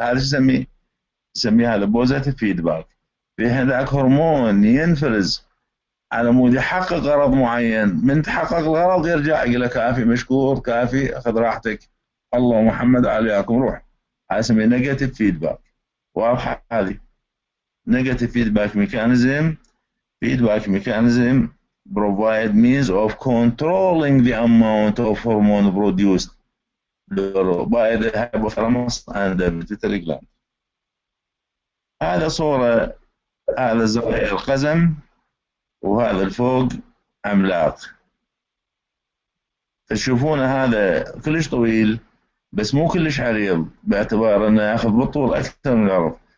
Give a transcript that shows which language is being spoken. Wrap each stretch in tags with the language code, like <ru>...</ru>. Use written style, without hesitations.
<ar>هذا شو نسميه؟ هذا بوزيتيف فيدباك. في هذاك هرمون ينفرز على مود يحقق غرض معين، من تحقق الغرض يرجع يقول لك كافي مشكور، كافي خذ راحتك، الله محمد عليكم روح. هذا نسميه نيجاتيف فيدباك. واضح؟ هذه نيجاتيف فيدباك ميكانيزم.</ar> <en>Feedback mechanism provide means of controlling the amount of hormone produced by the hypothalamus and the pituitary gland.</en> <ar>هذا صورة، هذا زاوية القزم، وهذا الفوق عملاق. تشوفون هذا كلش طويل بس مو كلش عريض، باعتبار انه ياخذ بالطول اكثر من العرض.</ar>